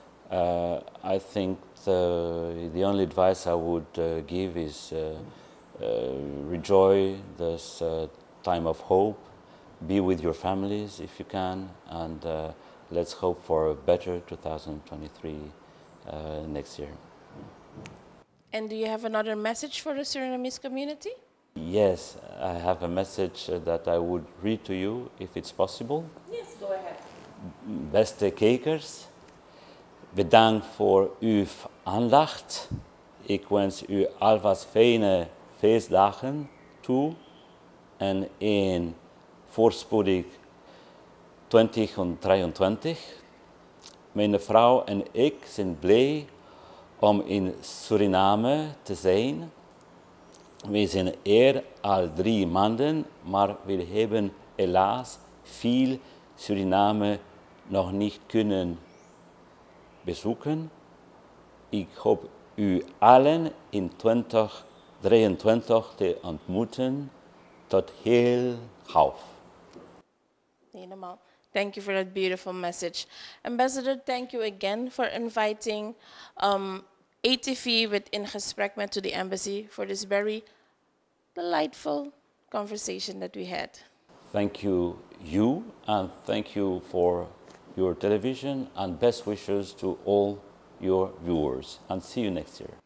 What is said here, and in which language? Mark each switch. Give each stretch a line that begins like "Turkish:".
English: I think the only advice I would give is rejoice this time of hope, be with your families if you can, and let's hope for a better 2023 next year. And do you have another message for the Surinamese community? Yes, I have a message that I would read to you, if it's possible. Yes, go ahead.
Dutch: Beste kijkers, bedankt voor uw aandacht. Ik wens u alvast fijne feestdagen toe en een voorspoedig 2023. Mijn vrouw en ik zijn blij om in Suriname te zijn. We zijn hier al 3 maanden, maar we hebben helaas veel Suriname nog niet kunnen bezoeken. Ik hoop u allen in 2023 23 te ontmoeten tot heel gauw. Helemaal.
English: Thank you for that beautiful message. Ambassador, thank you again for inviting ATV with In Gesprek Met to the embassy for this very delightful conversation that we had. Thank you, you, and thank you for your television, and best wishes to all your viewers, and see you next year.